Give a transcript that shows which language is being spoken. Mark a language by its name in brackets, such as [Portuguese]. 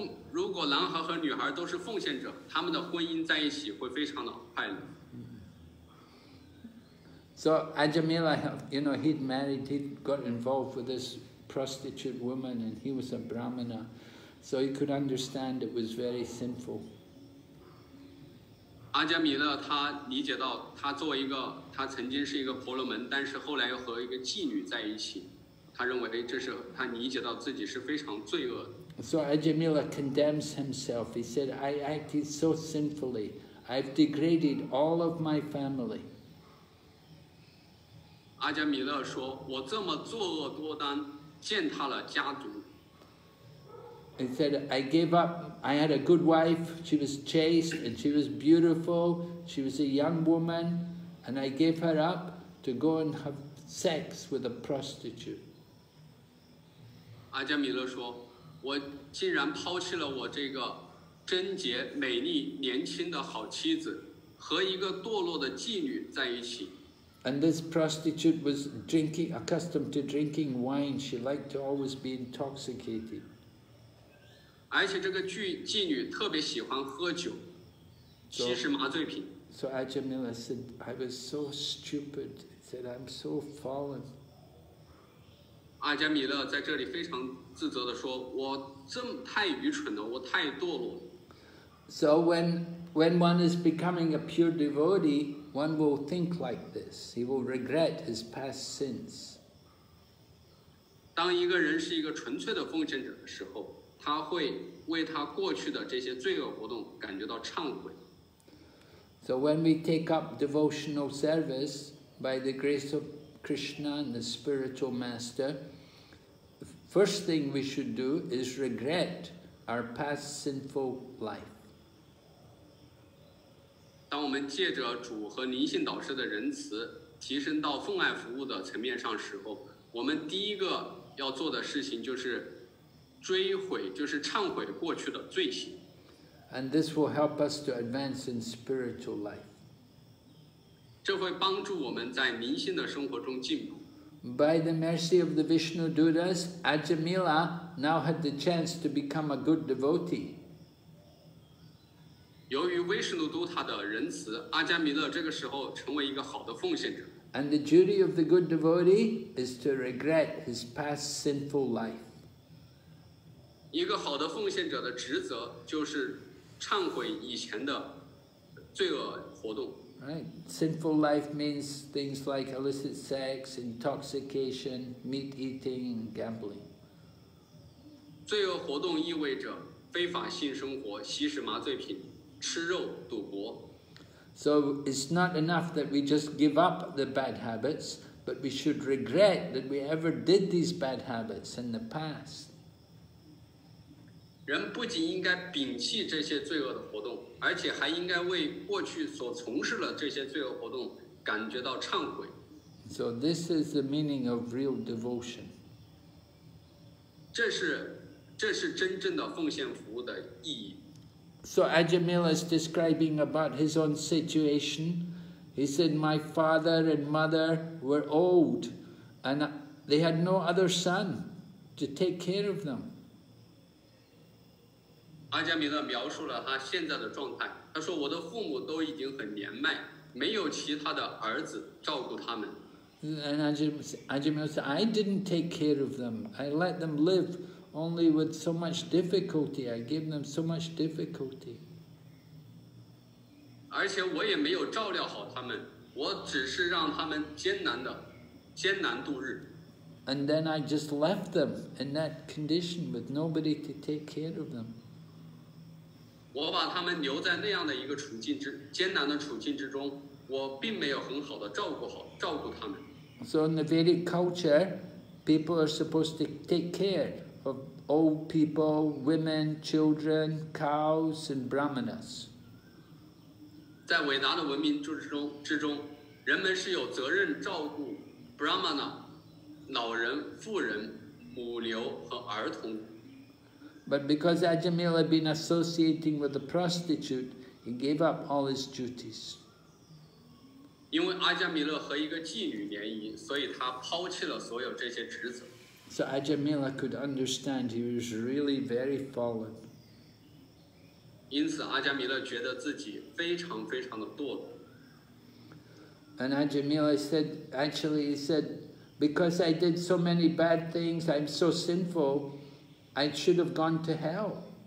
[Chinese] 如果男孩和女孩都是奉献者，他们的婚姻在一起会非常的快乐。 [English] So Ajamila, you know, he'd married, he'd got involved with this prostitute woman, and he was a brahmana, so he could understand it was very sinful. [Chinese] Ajamila, 他理解到他作为一个他曾经是一个婆罗门，但是后来又和一个妓女在一起，他认为这是他理解到自己是非常罪恶的。 [English] So Ajamila condemns himself. He said, "I acted so sinfully. I've degraded all of my family." [Chinese] 阿加米勒说，我这么作恶多端，践踏了家族。 [English] He said, "I gave up. I had a good wife. She was chaste and she was beautiful. She was a young woman, and I gave her up to go and have sex with a prostitute." [Chinese] 阿加米勒说，我竟然抛弃了我这个贞洁、美丽、年轻的好妻子，和一个堕落的妓女在一起。 [English] And this prostitute was drinking, accustomed to drinking wine. She liked to always be intoxicated. [Chinese] 而且这个妓女特别喜欢喝酒，吸食麻醉品。 [English] So Ajamila said, "I was so stupid." He said, "I'm so fallen." [Chinese] 阿加米勒在这里非常自责地说，我这么太愚蠢了，我太堕落了。 [English] So when one is becoming a pure devotee, one will think like this. He will regret his past sins. [Chinese] 当一个人是一个纯粹的奉献者的时候，他会为他过去的这些罪恶活动感觉到忏悔。 [English] So when we take up devotional service by the grace of Krishna and the spiritual master, first thing we should do is regret our past sinful life. [Chinese] 当我们借着主和灵性导师的仁慈提升到奉爱服务的层面上时候，我们第一个要做的事情就是追悔，就是忏悔过去的罪行。 [English] And this will help us to advance in spiritual life. [Chinese] 这会帮助我们在灵性的生活中进步。 [English] By the mercy of the Vishnu Dutas, Ajamila now had the chance to become a good devotee. [Chinese] 由于 Vishnu Dutta 的仁慈，阿加米勒这个时候成为一个好的奉献者。 [English] And the duty of the good devotee is to regret his past sinful life. [Chinese] 一个好的奉献者的职责就是忏悔以前的罪恶活动。 [English] Right. Sinful life means things like illicit sex, intoxication, meat eating, and gambling. [Chinese] 罪恶活动意味着非法性生活，吸食麻醉品，吃肉，赌博。 [English] So it's not enough that we just give up the bad habits, but we should regret that we ever did these bad habits in the past. [Chinese] 人不仅应该摒弃这些罪恶的活动，而且还应该为过去所从事的这些罪恶活动感觉到忏悔。 [English] So this is the meaning of real devotion. [Chinese] 这是真正的奉献服务的意义。 [English] So Ajamila is describing about his own situation. He said, "My father and mother were old, and they had no other son to take care of them." [Chinese] 阿加米勒描述了他现在的状态，他说，我的父母都已经很年迈，没有其他的儿子照顾他们。 [English] And Ajamila said, "I didn't take care of them. I let them live only with so much difficulty. I gave them so much difficulty." [Chinese] 而且我也没有照料好他们，我只是让他们艰难度日。 [English] And then I just left them in that condition with nobody to take care of them. [Chinese] 我把他们留在那样的一个处境之艰难的处境之中，我并没有很好的照顾他们。 [English] So in the Vedic culture, people are supposed to take care of old people, women, children, cows, and brahmanas. [Chinese] 在伟大的文明之中，人们是有责任照顾 brahmana, 老人、妇人、母牛和儿童。 [English] But because Ajamila had been associating with the prostitute, he gave up all his duties. [Chinese] 因为阿加米勒和一个妓女联姻，所以他抛弃了所有这些职责。 [English] So Ajamila could understand he was really very fallen. [Chinese] 因此阿加米勒觉得自己非常非常的堕落。 [English] And Ajamila said, actually he said, because I did so many bad things, I'm so sinful, I should have gone to hell.